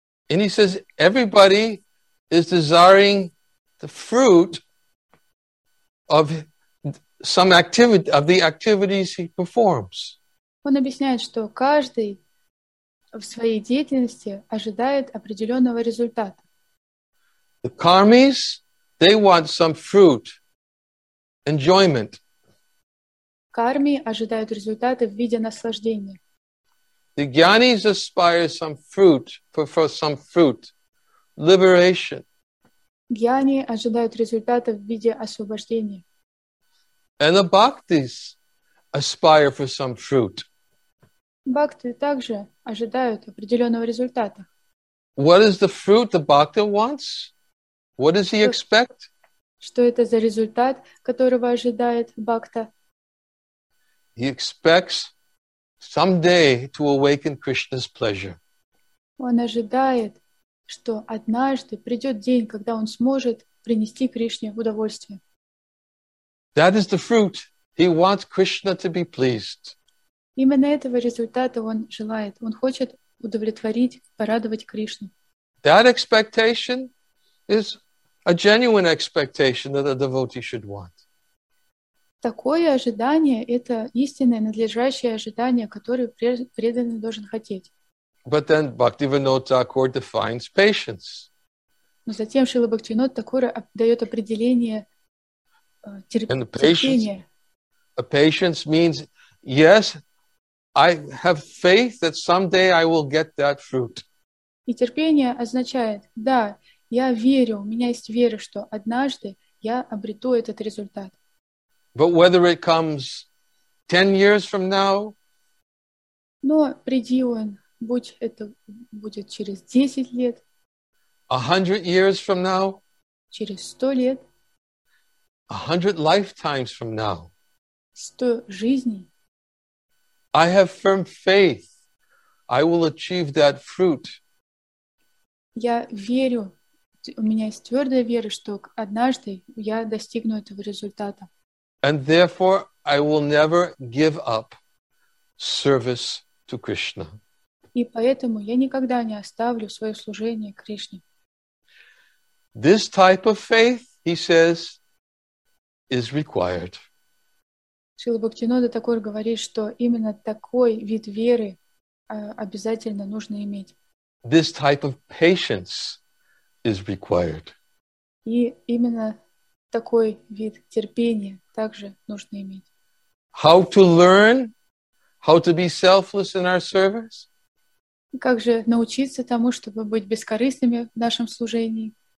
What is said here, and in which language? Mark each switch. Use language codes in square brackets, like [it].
[en] And he says, everybody is desiring the fruit of some activity, of the activities he performs. [ru] Он объясняет, что каждый в своей деятельности ожидает определенного результата. [en] The karmis, they want some fruit, enjoyment. [ru] Карми ожидают результаты в виде наслаждения. [en] The gyanis aspire some fruit, prefer some fruit, liberation. [ru] Гьяни ожидают результаты в виде освобождения. [en] And the bhaktis aspire for some fruit. [ru] Бхакты также ожидают определенного результата. [en] What is the fruit the bhakti wants? What does he expect? [ru] Что это за результат, которого ожидает бхакта? [en] He expects someday to awaken Krishna's pleasure. [ru] Он ожидает, что однажды придет день, когда он сможет принести Кришне удовольствие. [en] That is the fruit. He wants Krishna to be pleased. [ru] Именно этого результата он желает. Он хочет удовлетворить, порадовать Кришну. [en] That expectation is a genuine expectation that a devotee should want. [ru] Такое ожидание — это истинное, надлежащее ожидание, которое преданный должен хотеть. [en] But then Bhaktivinoda Thakur defines patience. [ru] Но затем Шрила Бхактивинода Тхакур дает определение терпения. [en] A patience means, yes, I have faith that someday I will get that fruit. [ru] И терпение означает, да, я верю, у меня есть вера, что однажды я обрету этот результат. [en] But whether it comes 10 years from now, [ru] но приди он, будь это будет через 10 лет, [en] 100 years from now, [ru] через 100 лет, [en] 100 lifetimes from now, [ru] 100 жизней, [en] I have firm faith I will achieve that fruit. [ru] Я верю, у меня есть твердая вера, что однажды я достигну этого результата. [en] And therefore, I will never give up service to Krishna. [ru] И поэтому я никогда не оставлю свое служение Кришне. [en] This type of faith, he says, is required. [ru] Шрила Бхактинода Такур говорит, что именно такой вид веры обязательно нужно иметь. [en] This type of patience is required. [ru] И именно такой вид терпения также нужно иметь. [en] How to learn how to be selfless in our service? [ru] Как же научиться тому, чтобы быть бескорыстными в нашем служении?